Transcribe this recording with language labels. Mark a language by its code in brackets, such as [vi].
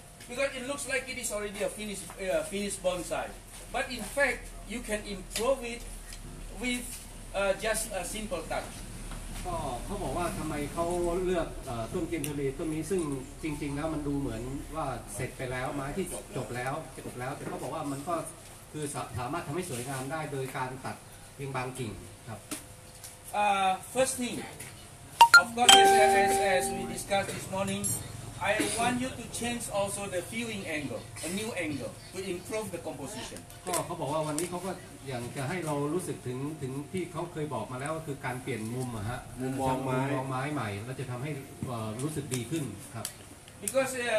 [en] Because it looks like it is already a finished bonsai. But in fact, you can improve it with just a simple touch. [th] ก็เขาบอกว่าทำไมเขาเลือกต้นเทียนทะเลต้นนี้ซึ่งจริงๆแล้วมันดูเหมือนว่าเสร็จไปแล้วไม้ที่จบแล้วแต่เขาบอกว่ามันก็คือสามารถทำให้สวยงามได้โดยการตัดเพียงบางกิ่งครับ [en] First thing.Of course, as we discussed this morning, I want you to change also the viewing angle, a new angle, to improve the composition. Because